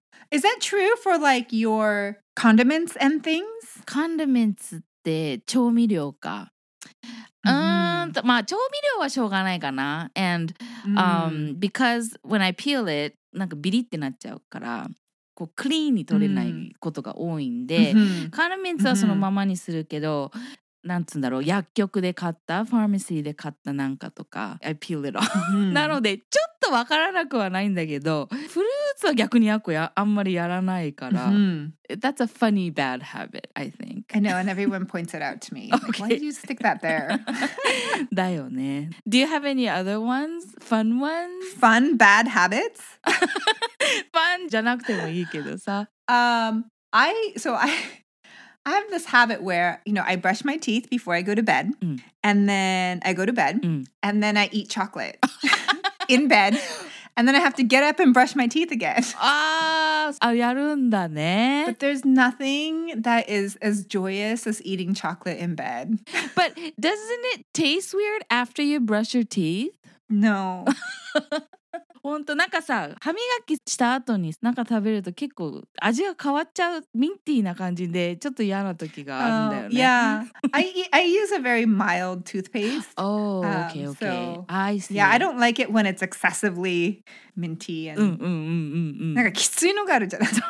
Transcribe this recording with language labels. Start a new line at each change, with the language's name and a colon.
English: Is that true for like your condiments and things?
Japanese: Condiments って調味料か。まあ調味料はしょうがないかな。
English: And because when I peel it,
Japanese: なんかビリってなっちゃうから、こうクリーンに取れないことが多いんで、condiments はそのままにするけど、なんつうんだろう、薬局で買った、ファーマシーで買ったなんかとか、
English: I peel it off。
Japanese: なので、ちょっとわからなくはないんだけど、フルーツは逆にあんまりやらないから。
English: That's a funny bad habit, I think. I know, and everyone points it out to me. Okay. Like, why did you stick that there?
Japanese: だよね。
English: Do you have any other ones? Fun ones? Fun bad habits?
Japanese: Fun じゃなくてもいいけどさ。
English: I have this habit where, you know, I brush my teeth before I go to bed, and then I go to bed, and then I eat chocolate in bed, and then I have to get up and brush my teeth again.
Japanese: やるんだね.
English: But there's nothing that is as joyous as eating chocolate in bed. But doesn't it taste weird after you brush your teeth? No.
Japanese: ほんとなんかさ歯磨きした後になんか食べると結構味が変わっちゃうミンティーな感じでちょっと嫌な時があるんだよね。
English: Yeah, I use a very mild toothpaste. Oh, okay, okay. So, I see. Yeah, I don't like it when it's excessively minty and
Japanese: なんかきついのがあるじゃない。